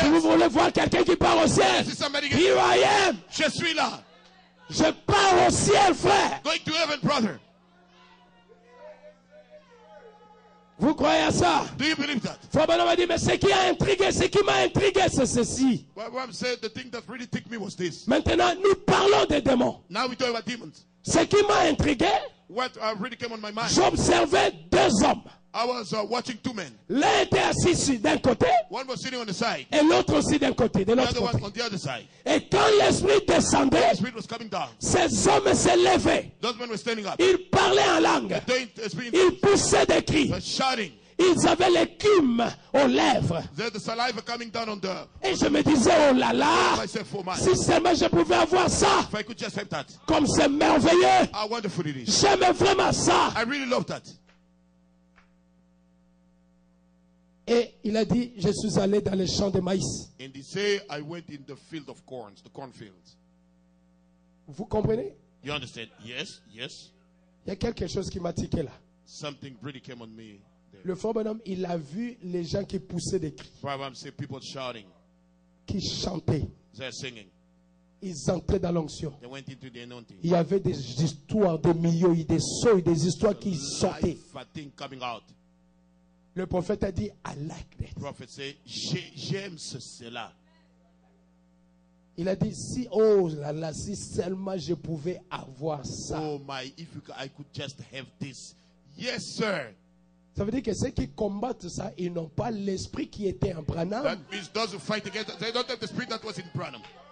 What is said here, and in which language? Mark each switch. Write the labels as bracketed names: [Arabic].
[French] Si vous voulez voir quelqu'un qui part au ciel, [English] yes, somebody... here I am. [French] Je suis là. Je pars au ciel, frère. [English] Going to heaven, brother. [French] Vous croyez à ça? [English] Do you believe that? [French] Frère Branham a dit, mais ce qui a intrigué, ce qui m'a intrigué, c'est ceci. [English] What said, the thing that really ticked me was this. [French] Maintenant, nous parlons des démons. [English] Now we talk about demons. [French] Ce qui m'a intrigué, [English] what really came on my mind. [French] J'observais deux hommes. [English] I was watching two men. [French] L'un était assis d'un côté. [English] One was sitting on the side. [French] Et l'autre aussi d'un côté, de l'autre [English] the other [French] côté. [English] One on the other side. [French] Et quand l'esprit descendait, [English] the spirit was coming down. [French] Ces hommes se levaient. [English] Those men were standing up. [French] Ils parlaient en langue. Ils poussaient des cris. [English] But shouting. [French] Ils avaient l'écume aux lèvres. [English] There, the saliva coming down on the, [French] et je me disais, oh là là, [English] myself, oh my. [French] Si seulement je pouvais avoir ça, [English] if I could just have that. [French] Comme c'est merveilleux. [English] How wonderful it is. [French] J'aimais vraiment ça. [English] I really love that. [French] Et il a dit, je suis allé dans les champs de maïs. [English] And he said, I went in the field of corns, the cornfields. [French] Vous comprenez? [English] You understand? Yes, yes. [French] Il y a quelque chose qui m'a tiqué là. [English] Something really came on me there. [French] Le frère Branham, il a vu les gens qui poussaient des cris. [English] Frère Branham said, people shouting. [French] Qui chantaient. [English] They're singing. [French] Ils entraient dans l'onction. [English] They went into the anointing. [French] Il y avait des histoires, des milieux, des sons, des histoires qui sortaient. [English] Life, I think, coming out. [French] Le prophète a dit, [English] I like that. The prophet said, [French] j'aime ce, cela. Il a dit, si, oh là là, si seulement je pouvais avoir ça. [English] Oh my, if you, I could just have this. Yes, sir. [French] Ça veut dire que ceux qui combattent ça, ils n'ont pas l'esprit qui était en Branham. [English] That means those who fight against, they don't have the spirit that was in Branham.